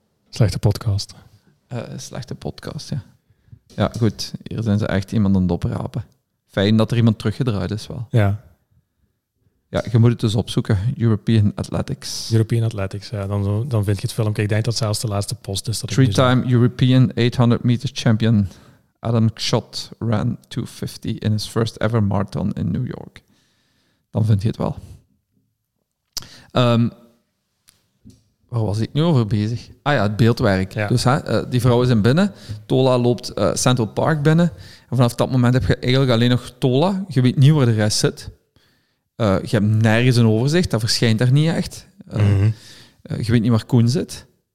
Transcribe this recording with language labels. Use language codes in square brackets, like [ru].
[nl] Slechte podcast. Slechte podcast, ja. Ja, goed. Hier zijn ze echt iemand aan het oprapen. Fijn dat er iemand teruggedraaid is wel. Ja. Ja, je moet het dus opzoeken. European Athletics. European Athletics, ja. Dan vind je het filmpje. Ik denk dat zelfs de laatste post is. Dat [en] 3-time European 800 meter champion Adam Kshot ran 2:50 in his first ever marathon in New York. [nl] Dan vind je het wel. Waar was ik nu over bezig? Ah ja, het beeldwerk. Ja. Dus die vrouwen zijn binnen. Tola loopt Central Park binnen. En vanaf dat moment heb je eigenlijk alleen nog Tola. Je weet niet waar de rest zit. Je hebt nergens een overzicht. Dat verschijnt daar niet echt. Je weet niet waar Koen zit.